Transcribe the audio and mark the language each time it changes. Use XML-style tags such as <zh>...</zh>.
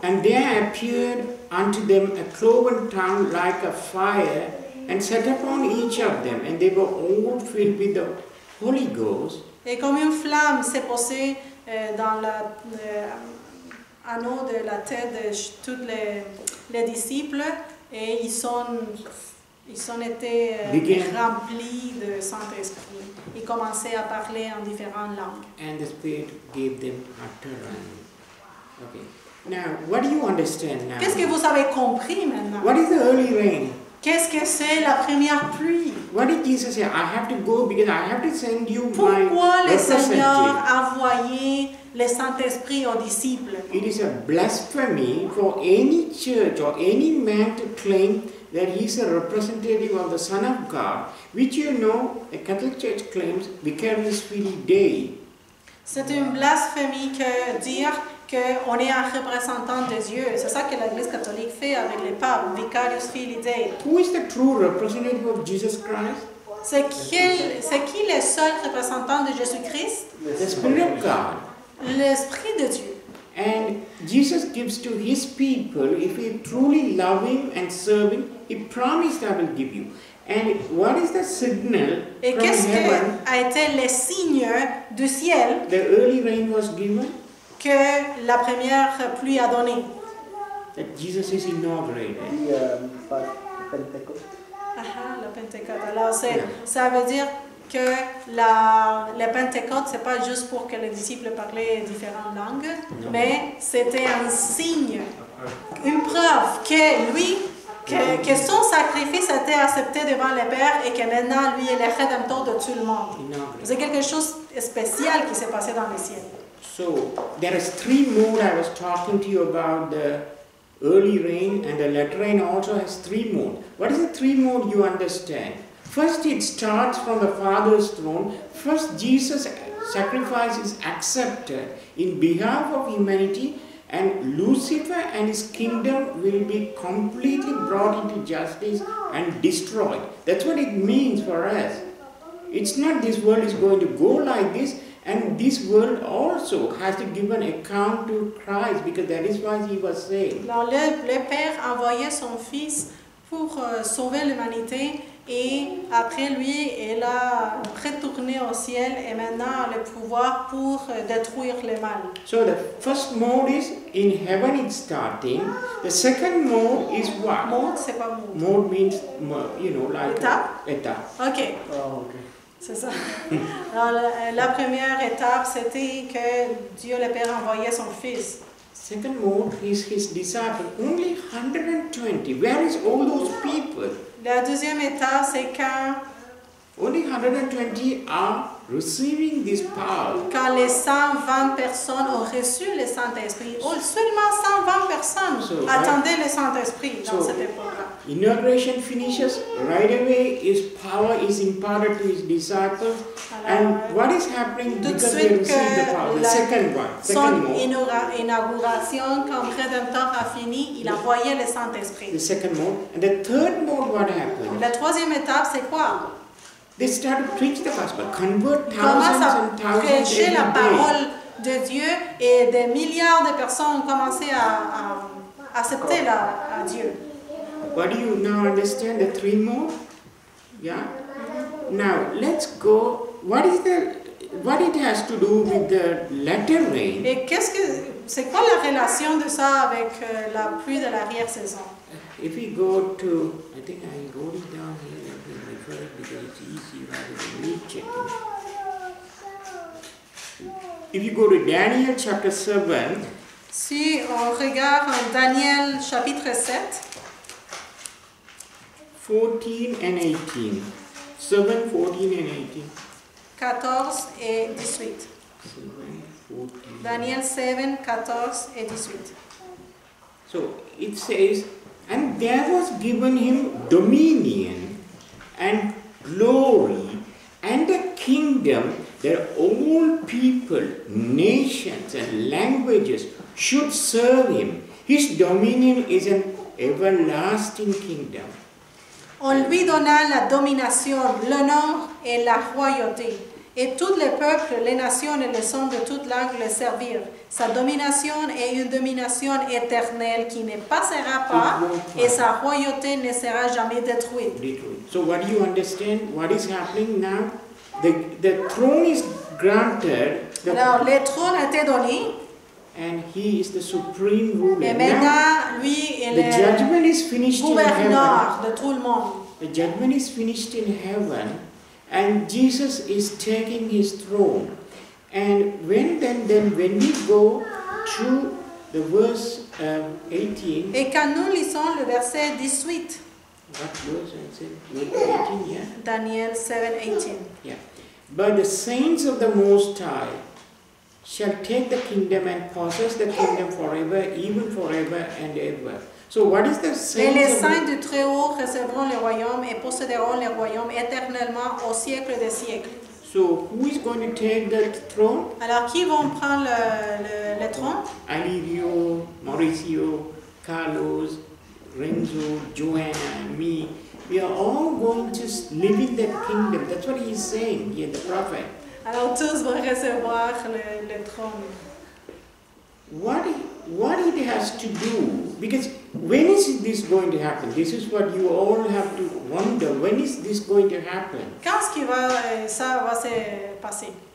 <en>And there appeared unto them a cloven tongue like a fire and set upon each of them, and they were all filled with the Holy Ghost.</en> <fr>Et comme une flamme s'est posée dans l'anneau de la tête de tous les disciples, et ils sont été remplis de Saint-Esprit. Ils commençaient à parler en différentes langues.</fr> <en>And the Spirit gave them utterance. Okay. Now, what do you understand now?</en> <fr>Qu'est-ce que vous avez compris maintenant?</fr> <en>What is the early rain?</en> <fr>Qu'est-ce que c'est la première pluie?</fr> <en>What did Jesus say? I have to go because I have to send you my representative.</en> <fr>Pourquoi le Seigneur a envoyé le Saint-Esprit aux disciples?</fr> <en>It is a blasphemy for any church or any man to claim that he is a representative of the Son of God, which you know the Catholic Church claims Vicarius Filii Dei.</en> <fr>C'est une blasphémie que dire qu'on est un représentant de Dieu. C'est ça que l'Église catholique fait avec les papes, Vicarius Filii Dei.</fr> <en>Who is the true representative of Jesus Christ?</en> <fr>C'est qui le seul représentant de Jésus-Christ?</fr> <en>The Spirit of God.</en> <fr>L'Esprit de Dieu.</fr> <en>And Jesus gives to his people, if we truly love him and serve him, he promised I will give you. And what is the signal</en> <fr>et</fr> <en>from heaven?</en> <fr>Et qu'est-ce que a été le signe du ciel?</fr> <en>The early rain was given.</en> <fr>Que la première pluie a donné.</fr> <en>That Jesus is inaugurated. The Pentecost.</en> <fr>La Pentecost. Alors ça veut dire que la Pentecôte, c'est pas juste pour que les disciples parlaient différentes langues, mais c'était un signe, une preuve que lui, que son sacrifice était accepté devant le Père et que maintenant lui est le Rédempteur de tout le monde. C'est quelque chose de spécial qui s'est passé dans le ciel.</fr> <en>So, there is three moons. I was talking to you about the early rain, and the latter rain also has three moons. What is the three moons you understand? First, it starts from the Father's throne. First, Jesus' sacrifice is accepted in behalf of humanity, and Lucifer and his kingdom will be completely brought into justice and destroyed. That's what it means for us. It's not this world is going to go like this, and this world also has to give an account to Christ, because that is why he was saved.</en> <fr>Le Père envoyait son Fils pour sauver l'humanité. Et après lui, elle a retourné au ciel et maintenant a le pouvoir pour détruire le mal.</fr> <en>So the first mode is in heaven it's starting. The second mode is what?</en> <fr>Mode, c'est pas mode.</fr> <en>Mode means, you know, like</en> <fr>étape. Étape. Ok. Oh, ok. C'est ça. Alors la première étape, c'était que Dieu le Père envoyait son Fils.</fr> <en>Second mode is his disciples. Only 120. Where is all those people?</en> <fr>La deuxième étape, c'est quand</fr> <en>only 120 are receiving this power.</en> <fr>Quand les 120 personnes ont reçu le Saint-Esprit. Oh, seulement 120 personnes attendaient le Saint-Esprit dans cette époque-là.</fr> <en>Inauguration finishes right away. His power is imparted to his disciples. Alors, and what is happening</en> <fr>tout</fr> <en>because</en> <fr>suite</fr> <en>they receive the power? The second one. Second mode.</en> <fr>Inauguration, quand le Rédempteur a fini, il envoyait le Saint-Esprit.</fr> <en>The second mode. And the third mode, what happened?</en> <fr>La troisième étape, c'est quoi?</fr> <en>They start to preach the gospel, convert thousands and thousands every day.</en> <fr>Ils commencent à prêcher la parole de Dieu et des milliards de personnes ont commencé à accepter à Dieu.</fr> <en>What do you now understand, the three more? Yeah? Now, let's go. What it has to do with the latter rain?</en> <fr>Et c'est quoi la relation de ça avec la pluie de l'arrière-saison?</fr> <en>If we go to, I think I wrote it down here. prefer it because it's easy rather than meat chicken. If you go to Daniel chapter 7,</en> <fr>si on regarde en Daniel chapitre 7,</fr> <en>14 and 18. 7, 14 and 18.</en> <fr>14 et 18. 7, 14. Daniel 7, 14 et 18.</fr> <en>So it says, and there was given him dominion and glory and a kingdom that all people, nations and languages should serve him. His dominion is an everlasting kingdom.</en> <fr>On lui donna la domination, l'honneur et la royauté. Et tous les peuples, les nations et les hommes de toute langue le servirent. Sa domination est une domination éternelle qui ne passera pas et sa royauté ne sera jamais détruite.</fr> <en>So what do you understand? What is happening now? The throne is granted.</en> <fr>Alors, le trône a été donné.</fr> <en>And he is the supreme ruler.</en> <fr>Et lui,</fr> <en>the judgment is finished in heaven.</en> <fr>De tout le monde.</fr> <en>The judgment is finished in heaven, and Jesus is taking his throne. And when we go to the verse 18.</en> <fr>Et quand nous lisons le verset 18.</fr> <en>What verse? I said 18. Yeah. Daniel 7:18. Yeah. But the saints of the Most High shall take the kingdom and possess the kingdom forever, even forever and ever. So what is the saints?</en> <fr>Et les saints du Très-Haut recevront le royaume et posséderont le royaume éternellement au siècle des siècles.</fr> <en>So who is going to take the throne?</en> <fr>Alors qui vont prendre le trône?</fr> <en>Alirio, Mauricio, Carlos, Renzo, Joanna, me. We are all going to live in that kingdom. That's what he's saying here, the prophet.</en> <fr>Alors tous vont recevoir le trône.</fr> <en>What it has to do, because when is this going to happen? This is what you all have to wonder. When is this going to happen?</en> <fr>Qu'est-ce qui va, ça va se passer?</fr>